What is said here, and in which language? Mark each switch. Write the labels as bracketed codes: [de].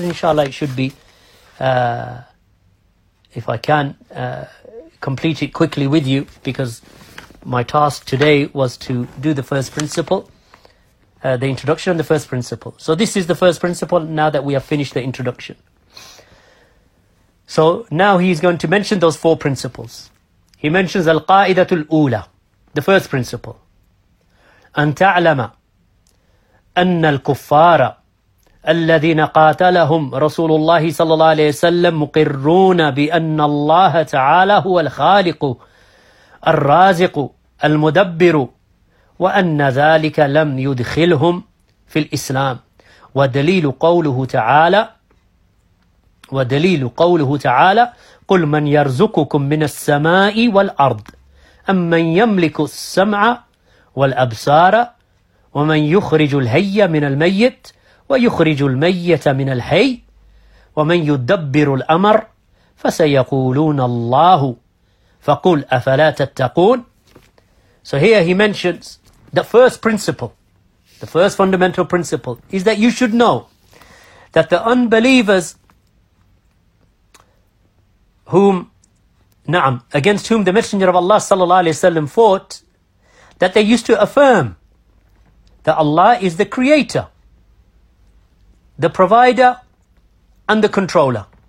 [en] Inshallah, it should be, if I can, complete it quickly with you, because my task today was to do the first principle, the introduction and the first principle. So this is the first principle now that we have finished the introduction. So now he is going to mention those four principles. He mentions Al-Qa'idatul Ula, the first principle. [ar] أن تعلم أن الكفار الذين قاتلهم رسول الله صلى الله عليه وسلم مقرون بأن الله تعالى هو الخالق الرازق المدبر وأن ذلك لم يدخلهم في الإسلام ودليل قوله تعالى قل من يرزقكم من السماء والأرض أمن يملك السمع والأبصار ومن يخرج الهي من الميت ويخرج الميت من الحي ومن يدبر الأمر فسيقولون الله فقل أفلا تتقون. [en] So here he mentions the first principle, the first fundamental principle is that you should know that the unbelievers whom, [ar] na'am, [en] against whom the Messenger of Allah sallallahu alayhi wa sallam fought, that they used to affirm that Allah is the creator, the provider, and the controller.